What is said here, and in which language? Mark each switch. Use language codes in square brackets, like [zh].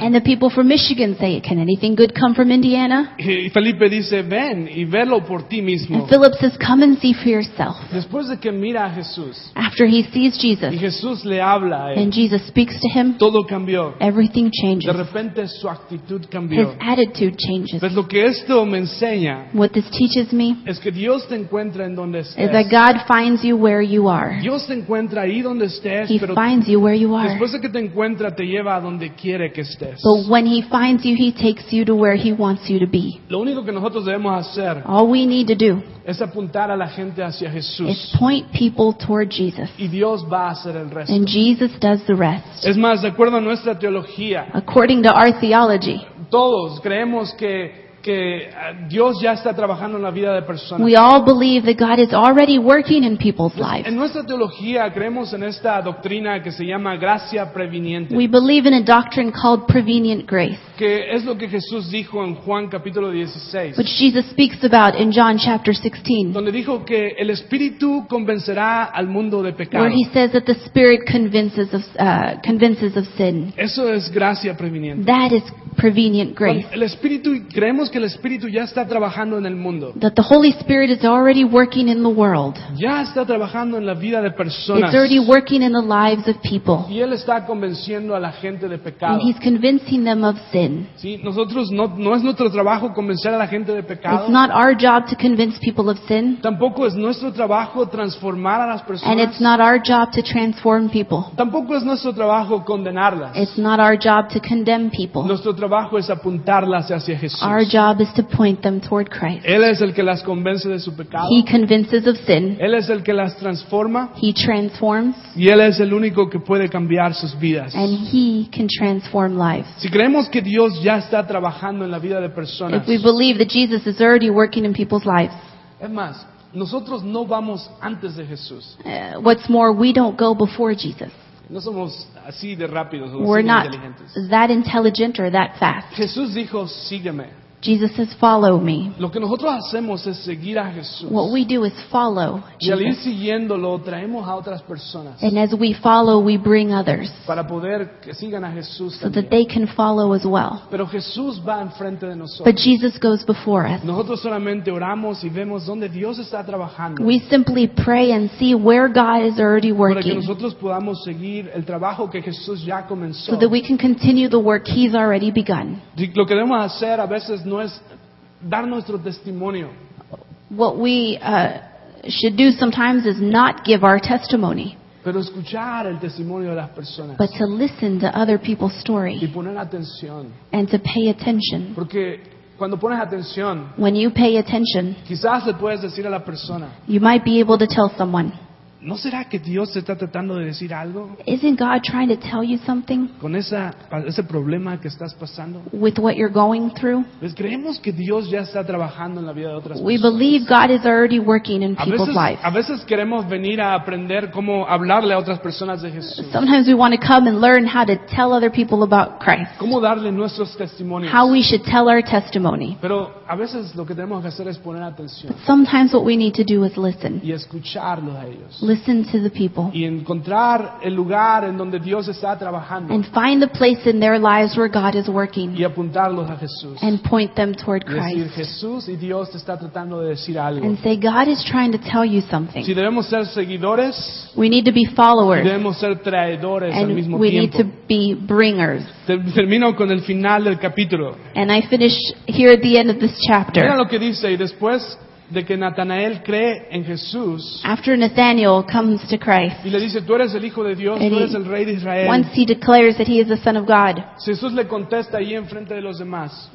[en] And the people from Michigan say, can anything good come from Indiana? [es] Y Felipe dice, ven y velo por ti mismo. [en] And Philip says, come and see for yourself. [es] Después de que mira a Jesús, [en] after he sees Jesus, [es] y Jesús le habla a él, [en] and Jesus speaks to him, [es] todo cambió. [en] Everything changes. [es] De repente su actitud cambió. [en] His attitude changes. [es] Pues lo que esto menciona, [en] what this teaches me [es] es que Dios te encuentra en donde estés. [en] Is that God finds you where you are. [es] Dios te encuentra ahí donde estés, [en] he [es] pero [en] finds you where you are. [es] Después de que te encuentra, te lleva a donde quiere que estés. [en] But when he finds you, he takes you to where he wants you to be. [es] Lo único que nosotros debemos hacer, [en] all we need to do [es] es apuntar a la gente hacia Jesús. [en] Is point people toward Jesus. [es] Y Dios va a hacer el resto. [en] And Jesus does the rest. [es] Es más, de acuerdo a nuestra teología, [en] according to our theology, [es] todos creemos que Dios ya está trabajando en la vida de personas. [en] We all believe that God is already working in people's lives. [es] En nuestra teología creemos en esta doctrina que se llama gracia preveniente. [en] We believe in a doctrine called prevenient grace. [es] Que es lo que Jesús dijo en Juan capítulo 16. [en] Which Jesus speaks about in John chapter 16. [es] Donde dijo que el Espíritu convencerá al mundo de pecado. [en] Where he says that the Spirit convinces of sin. [es] Eso es gracia preveniente. [en] That is prevenient grace. [es] El Espíritu, creemos que el Espíritu ya está trabajando en el mundo. [en] That the Holy Spirit is already working in the world. [es] Ya está trabajando en la vida de personas. [en] It's already working in the lives of people. [es] Y Él está convenciendo a la gente de pecado. [en] And He's convincing them of sin. [es] Sí, nosotros no es nuestro trabajo convencer a la gente de pecado. [en] It's not our job to convince people of sin. [es] Tampoco es nuestro trabajo transformar a las personas. [en] And it's not our job to transform people. [es] Tampoco es nuestro trabajo condenarlas. [en] It's not our job to condemn people. [es] Nuestro trabajo es apuntarlas hacia Jesús. [en] Our job is to point them toward Christ. [es] Él es el que las convence de su pecado. [en] He convinces of sin. [es] Él es el que las transforma. [en] He transforms. [es] Y Él es el único que puede cambiar sus vidas. [en] And He can transform lives. [es] Si creemos que Dios ya está trabajando en la vida de personas, [en] if we believe that Jesus is already working in people's lives, [es] es más, nosotros no vamos antes de Jesús. [en] What's more, we don't go before Jesus. [es] No somos así de rápidos, [en] we're [es] así [en] not [es] inteligentes. [en] That intelligent or that fast. [es] Jesús dijo, sígueme. [en] Jesus says, follow me. [es] Lo que nosotros hacemos es seguir a Jesús. [en] What we do is follow Jesus. [es] Y al ir siguiéndolo, traemos a otras personas. [en] And as we follow, we bring others. [es] Para poder que sigan a Jesús [en] so [es] también. [en] That they can follow as well. [es] Pero Jesús va enfrente de nosotros. [en] But Jesus goes before us. [es] Nosotros solamente oramos y vemos donde Dios está trabajando. [en] We simply pray and see where God is already working. [es] Para que nosotros podamos seguir el trabajo que Jesús ya comenzó. [en] So that we can continue the work He's already begun. [es] Lo que debemos hacer a veces no es dar nuestro testimonio. [en] What we should do sometimes is not give our testimony. [es] Pero escuchar el testimonio de las personas. [en] But to listen to other people's story. [es] Y poner atención. [en] And to pay attention. [es] Porque cuando pones atención, [en] when you pay attention, [es] quizás le puedes decir a la persona, [en] you might be able to tell someone, [es] ¿no será que Dios está tratando de decir algo? [en] Isn't God trying to tell you something? [es] Con ese problema que estás pasando. [en] With what you're going through. [es] Pues creemos que Dios ya está trabajando en la vida de otras [en] we [es] personas. [en] We believe God is already working in people's lives. [es] A veces queremos venir a aprender cómo hablarle a otras personas de Jesús. [en] Sometimes we want to come and learn how to tell other people about Christ. [es] Cómo darle nuestros testimonios. [en] How we should tell our testimony. [es] Pero a veces lo que tenemos que hacer es poner atención. [en] But sometimes what we need to do is listen. [es] Y escucharlos a ellos. [en] listen to the people. [es] Y encontrar el lugar en donde Dios está trabajando. [en] And find the place in their lives where God is working. [es] Y apuntarlos a Jesús. [en] And point them toward Christ. [es] Y decir, Jesús y Dios te está tratando de decir algo. [en] And say, God is trying to tell you something. [es] Si debemos ser seguidores, [en] we need to be followers. [es] Debemos ser traidores [en] and [es] al mismo [en] we [es] tiempo. [en] Need to be bringers. [es] Termino con el final del capítulo. [en] And I finish here at the end of this chapter. [es] Mira lo que dice, y después de que Natanael cree en Jesús. [en] After Nathanael comes to Christ. [es] Y le dice, tú eres el hijo de Dios, tú eres el rey de Israel. [en] Once he declares that he is the son of God. [es] Jesús le contesta ahí enfrente de los demás.